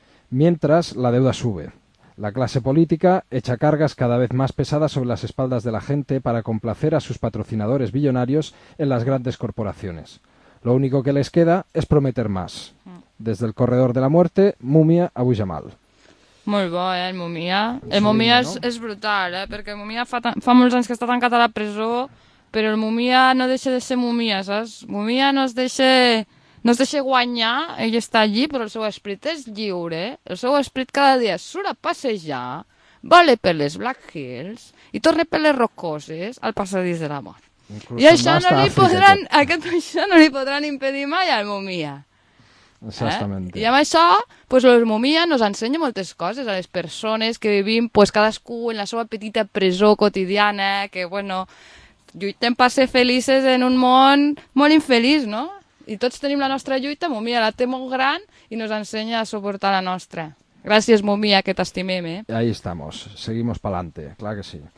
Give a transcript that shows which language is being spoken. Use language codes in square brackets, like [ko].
[es] Mientras, la deuda sube. La clase política echa cargas cada vez más pesadas sobre las espaldas de la gente para complacer a sus patrocinadores billonarios en las grandes corporaciones. Lo único que les queda es prometer más. Desde el corredor de la muerte, Mumia Abu Jamal. [ca] Molt bo, el Mumia. El Mumia és, no? És brutal, perquè el Mumia fa molts anys que està tancat a la presó, però el Mumia no deixa de ser Mumia, saps? Mumia no es deixa... No es deixa guanyar, ell està allí, però el seu esprit és lliure. El seu esprit cada dia surt a passejar, vale per les Black Hills i torna per les rocoses al passadís de la mort. I això no, li podran, això no li podran impedir mai al Mumia. Exactament. I amb això, pues, el Mumia ens ensenya moltes coses a les persones que vivim, pues, cadascú en la seva petita presó quotidiana, que bueno, lluitem per ser felices en un món molt infeliç, no? I tots tenim la nostra lluita, Mumia la té molt gran i ens ensenya a suportar la nostra. Gràcies, Mumia, que t'estimem, eh? [es] Ahí estamos, seguimos pa'lante, [ca] clar que sí.